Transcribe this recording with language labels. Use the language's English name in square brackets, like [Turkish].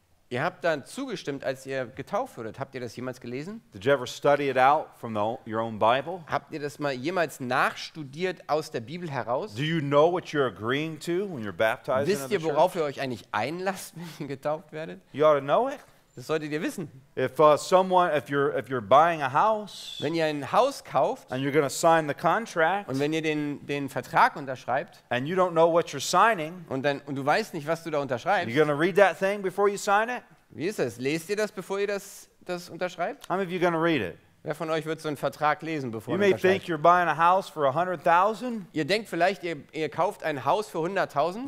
[German] Ihr habt dann zugestimmt, als ihr getauft wurdet. Habt ihr das jemals gelesen? [English] Did you ever study it out from your own Bible? [German] Habt ihr das mal jemals nachstudiert aus der Bibel heraus? [English] Do you know what you're agreeing to when you're baptized? [German] Wisst ihr, worauf ihr euch eigentlich einlasst, wenn ihr getauft werdet? [English] You ought to know it. [German] Das solltet ihr wissen. [English] If you're buying a house, [German] wenn ihr ein Haus kauft, [English] and you're going to sign the contract, [German] und wenn ihr den Vertrag unterschreibt, [English] and you don't know what you're signing, [German] und du weißt nicht, was du da unterschreibst, [English] you're going to read that thing before you sign it. [German] Wie ist es? Lest ihr das, bevor ihr das unterschreibt? [English] How many of you going to read it? [German] Wer von euch wird so einen Vertrag lesen, bevor [English] you may think you're buying a house for 100,000. [German] Ihr denkt vielleicht, ihr kauft ein Haus für 100,000.